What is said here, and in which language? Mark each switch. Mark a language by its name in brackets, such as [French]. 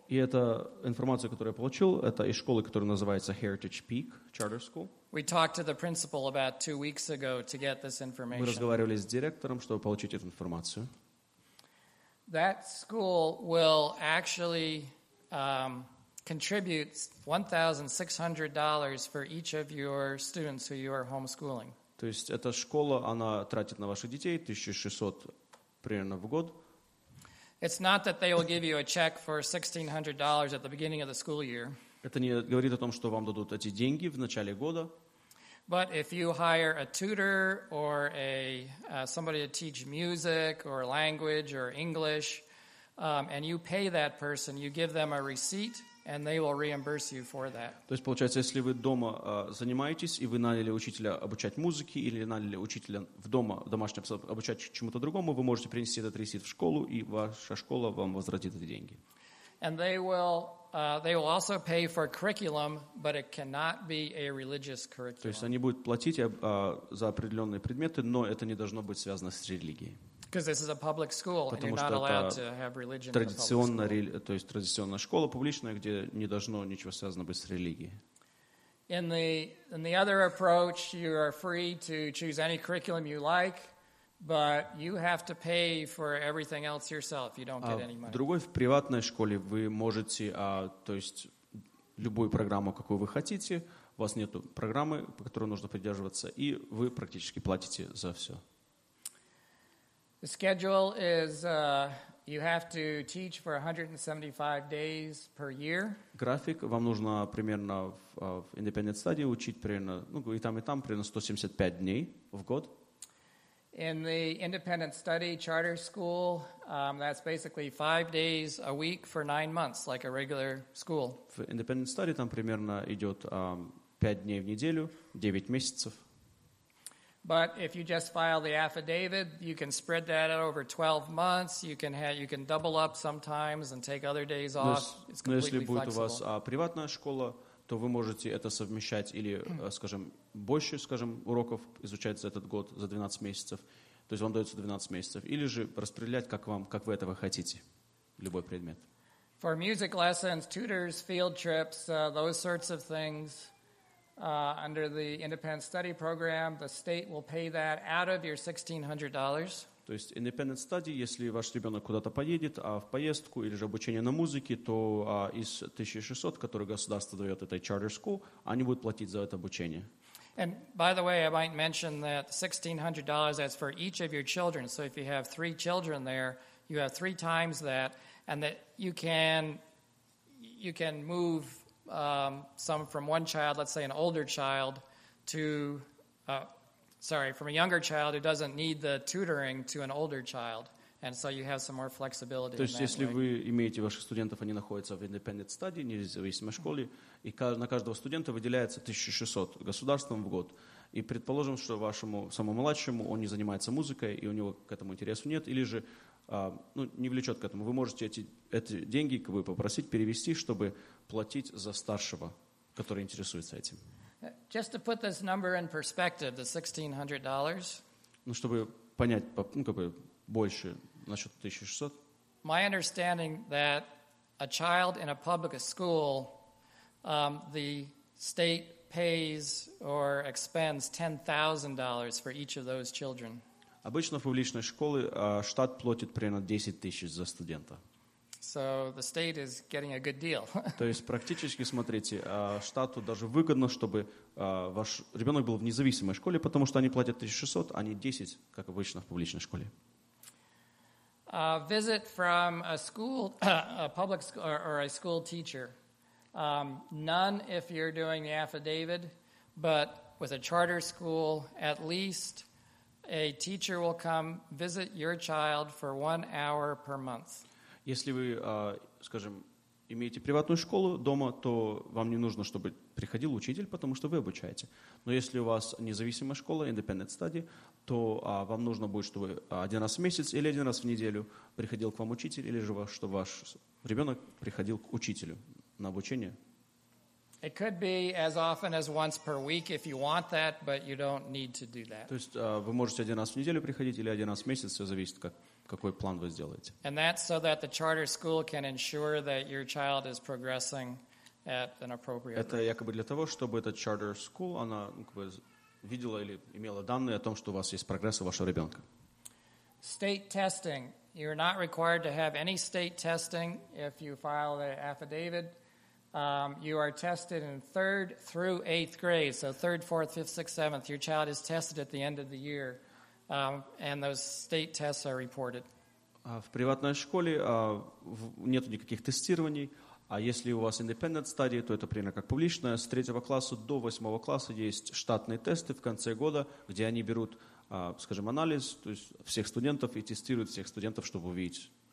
[Russian] И эта информация, которую я получил, это из школы, которая называется Heritage Peak Charter School. [English] We talked to the principal about 2 weeks ago to get this information. [Russian] Мы разговаривали с директором, чтобы получить эту информацию. [English] That school will actually contribute $1,600 for each of your students who you are homeschooling. [Russian] То есть эта школа, она тратит на ваших детей 1600 примерно в год. [English] It's not that they will give you a check for $1,600 at the beginning of the school year. [Russian] Это не говорит о том, что вам дадут эти деньги в начале года. [English] But if you hire a tutor or a somebody to teach music or language or English, and you pay that person, you give them a receipt, and they will reimburse you for that. [Russian] То есть получается, если вы дома занимаетесь и вы наняли учителя обучать музыке или наняли учителя в дома домашнем обучать чему-то другому, вы можете принести этот receipt в школу и ваша школа вам возвратит эти деньги. [English] And they will also pay for curriculum, but it cannot be a religious curriculum. [Russian] То есть они будут платить за определенные предметы, но это не должно быть связано с религией. [English] Because this is a public school, and you're not allowed to have religion in the public school. [Russian] Потому что это то есть традиционная школа публичная, где не должно ничего связано быть с религией. [English] In the other approach, you are free to choose any curriculum you like. But you have to pay for everything else yourself. You don't get any money. [Russian] В другой, в приватной школе вы можете, то есть любую программу, какую вы хотите, у вас нету программы, по которой нужно придерживаться, и вы практически платите за все. [English] The schedule is you have to teach for 175 days per year. [Russian] График вам нужно примерно в independent study учить примерно, ну и там примерно 175 дней в год. [English] In the independent study charter school, that's basically 5 days a week for 9 months, like a regular school. [Russian] В independent study там примерно идет 5 дней в неделю, 9 месяцев. [English] But if you just file the affidavit, you can spread that out over 12 months. You can double up sometimes and take other days off. It's completely flexible. [Russian] Но если будет у вас приватная школа, то вы можете это совмещать или, скажем, больше, скажем, уроков изучать за этот год, за 12 месяцев, то есть вам дается 12 месяцев, или же распределять, как вы этого хотите, любой предмет. [English] For music lessons, tutors, field trips, those sorts of things, Under the independent study program, the state will pay that out of your $1,600. [Russian] То есть independent study, если ваш ребенок куда-то поедет, а в поездку или же обучение на музыке, то из 1600, которые государство дает этой charter school, они будут платить за это обучение. [English] And by the way, I might mention that $1,600 that's for each of your children. So if you have three children there, you have three times that, and that you can move some from one child, let's say an older child, from a younger child who doesn't need the tutoring to an older child. And so you have some more flexibility. [Russian] То есть если вы имеете ваших студентов, они находятся в independent study, независимой школе, и на каждого студента выделяется 1600 государством в год. И предположим, что вашему самому младшему он не занимается музыкой, и у него к этому интересу нет, или же не влечет к этому. Вы можете эти деньги как бы попросить перевести, чтобы платить за старшего, который интересуется этим. [English] Just to put this number in perspective, the $1,600. [Russian] Ну, чтобы понять, ну, как бы больше насчет 1600. [English] My understanding that a child in a public school, the state pays or expends $10,000 for each of those children. [Russian] Обычно в публичной школе штат платит примерно 10 тысяч за студента. [English] So the state is getting a good deal. [Russian] То есть практически, смотрите, штату даже выгодно, чтобы ваш ребенок был в независимой школе, потому что они платят 1600, а не 10, как обычно в публичной школе. [English] A visit from a school, a public school, or a school teacher. None if you're doing the affidavit, but with a charter school, at least a teacher will come visit your child for 1 hour per month. [Russian] Если вы, скажем, имеете приватную школу дома, то вам не нужно, чтобы приходил учитель, потому что вы обучаете. Но если у вас независимая школа, independent study, то вам нужно будет, чтобы один раз в месяц или один раз в неделю приходил к вам учитель, или же чтобы ваш ребенок приходил к учителю на обучение. [English] It could be as often as once per week if you want that, but you don't need to do that. [Russian] То есть вы можете один раз в неделю приходить или один раз в месяц, все зависит, какой план вы сделаете. [English] And that's so that the charter school can ensure that your child is progressing at an appropriate rate. [Russian] Это якобы для того, чтобы эта charter school, она как бы видела или имела данные о том, что у вас есть прогресс у вашего ребенка. [English] State testing. You're not required to have any state testing if you file the affidavit. You are tested in 3rd through 8th grade, so 3rd, 4th, 5th, 6th, 7th. Your child is tested at the end of the year, and those state tests are reported. [Russian] В приватной школе нет никаких тестирований, а если у вас independent study, то это примерно как публичная. С 3 класса до 8 класса есть штатные тесты в конце года, где они берут, скажем, анализ, то есть всех студентов и тестируют всех студентов, чтобы увидеть.